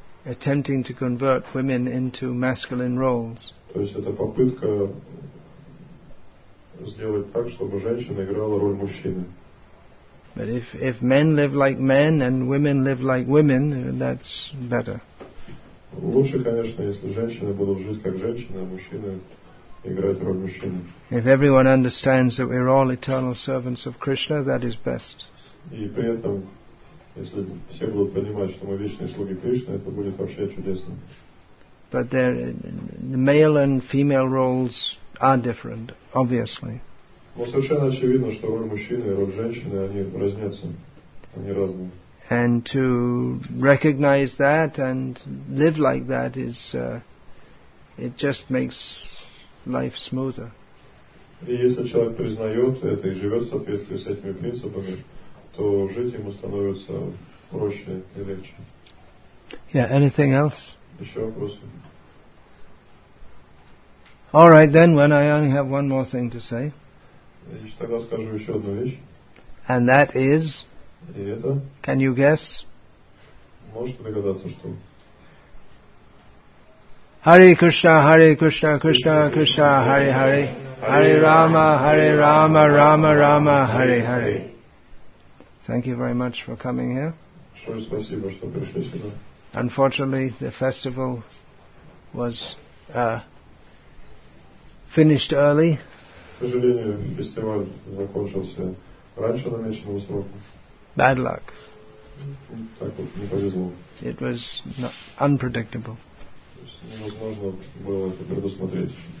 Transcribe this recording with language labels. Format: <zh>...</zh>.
<en>Attempting to convert women into masculine roles.</en> <ru>То есть это попытка сделать так, чтобы женщина играла роль мужчины.</ru> <en>But if men live like men and women live like women, that's better.</en> <ru>Лучше, конечно, если женщины будут жить как женщины, а мужчины играть роль мужчины.</ru> <en>If everyone understands that we're all eternal servants of Krishna, that is best.</en> <ru>И при этом, если все будут понимать, что мы вечные слуги Кришны, это будет вообще чудесно.</ru> <en>But the male and female roles are different, obviously.</en> <ru>Но совершенно очевидно, что роль мужчины и роль женщины, они разнятся, они разные.</ru> <en>And to recognize that and live like that is, it just makes life smoother.</en> <ru>И если человек признает это и живет в соответствии с этими принципами, то жить ему становится проще и легче.</ru> <en>Yeah, anything else?</en> <ru>Еще вопросы?</ru> <en>All right, then, when I only have one more thing to say.</en> <ru>Тогда скажу еще одну вещь.</ru> <en>And that is?</en> <ru>И это?</ru> <en>Can you guess?</en> <ru>Можете догадаться, что?</ru> <sa>Hare Krishna, Hare Krishna, Krishna Krishna, Hare Hare. Hare Rama, Hare Rama, Rama Rama, Hare Hare.</sa> <en>Thank you very much for coming here.</en> <ru>Большое спасибо, что пришли сюда.</ru> <en>Unfortunately, the festival was finished early.</en> <ru>К сожалению, фестиваль закончился раньше намеченного срока.</ru> <en>Bad luck.</en> <ru>Так вот, не повезло.</ru> <en>It was not unpredictable.</en> <ru>Невозможно было это предусмотреть.</ru>